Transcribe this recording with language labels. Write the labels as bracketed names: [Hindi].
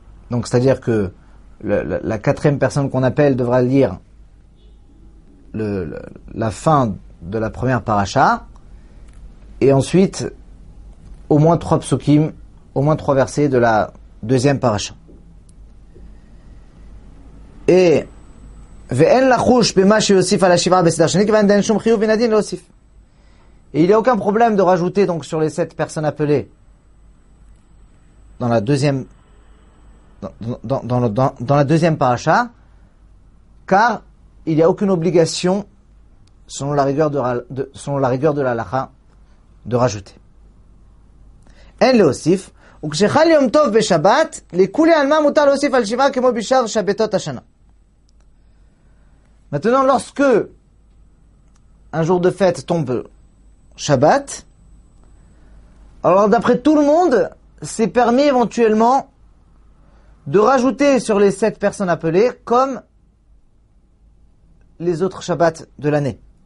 [French] Donc, c'est-à-dire que la quatrième personne qu'on appelle devra lire la fin de la première paracha. Et ensuite, au moins trois psukim, au moins trois versets de la deuxième paracha. [Hebrew] Et ואין לחוש במה שיוסיף על השבעה בסדר שני, כיוון דאין שום חיוב מן הדין להוסיף. [French] Et il n'y a aucun problème de rajouter donc sur les sept personnes appelées dans la deuxième dans la deuxième paracha, car il n'y a aucune obligation selon la rigueur de la halakha de rajouter. [Hebrew] אין להוסיף, וכשחל יום טוב בשבת, לכולי עלמא מותר להוסיף על שבעה כמו בשאר שבתות השנה. [French] Maintenant, lorsque un jour de fête tombe Shabbat, alors d'après tout le monde, c'est permis éventuellement de rajouter sur les sept personnes appelées comme les autres Shabbats de l'année.